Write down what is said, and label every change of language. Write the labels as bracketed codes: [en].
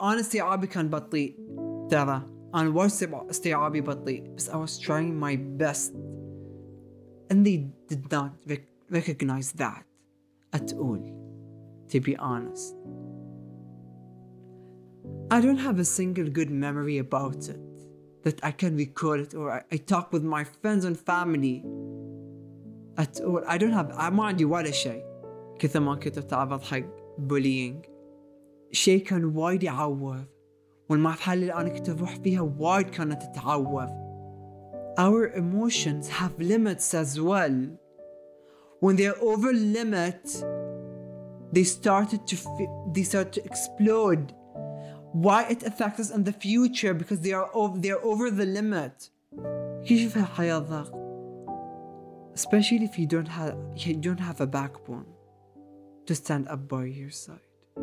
[ar] أنا استيعابي كان بطيء ترى. أنا ورسي استيعابي بطيء. [en] بس I was trying my best, and they did not recognize that at all. To be honest, I don't have a single good memory about it that I can recall it, or I talk with my friends and family at all. I don't have, I'm not doing any shit. [ar] كثر ما كنت أتعرض حق bullying. شيء كان وايد يعوض. والمرحلة اللي أنا كنت أروح فيها وايد كانت تعوض. [en] Our emotions have limits as well. When they're over limit, they started to explode. Why it affects us in the future? Because they're over the limit. [ar] كيف هالحياة ضغط؟ [en] Especially if you don't have a backbone to stand up by your side.